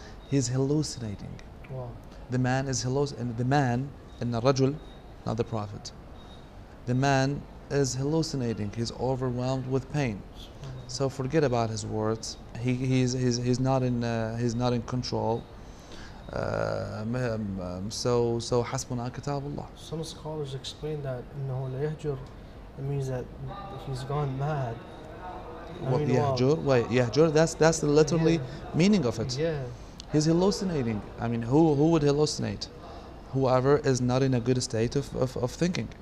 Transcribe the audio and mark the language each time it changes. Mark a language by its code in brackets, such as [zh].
[en] He's hallucinating. Wow. The man is hallucinating. The man, [ar] إِنَّ الرَّجُلَ, [en] not the Prophet. The man is hallucinating. He's overwhelmed with pain. So forget about his words. He's not in control. [ar] So حَسْبُنَا كِتَابُ اللَّهِ. [en] Some scholars explain that [ar] إِنَّهُ لَيَهْجُرُ, [en] it means that he's gone mad. Yahjur, that's the literally meaning of it. Yeah. He's hallucinating. I mean, who would hallucinate? Whoever is not in a good state of thinking.